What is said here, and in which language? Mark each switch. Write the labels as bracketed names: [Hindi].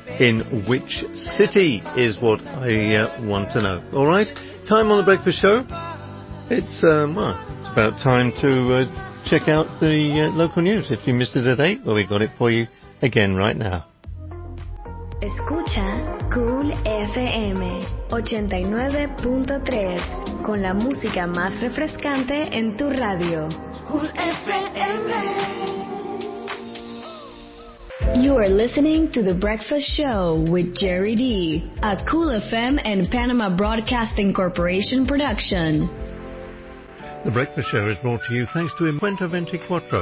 [English] In which city is what I want to know. All right, time on The Breakfast Show. It's well, it's about time to check out the local news. If you missed it at 8, well, we got it for you again right now. [Spanish] Escucha Cool FM 89.3 con la música más refrescante en tu radio. Cool FM. [English] You are listening to The Breakfast Show with Jerry D, a Cool FM and Panama Broadcasting Corporation production. The Breakfast Show is brought to you thanks to Imprenta 24.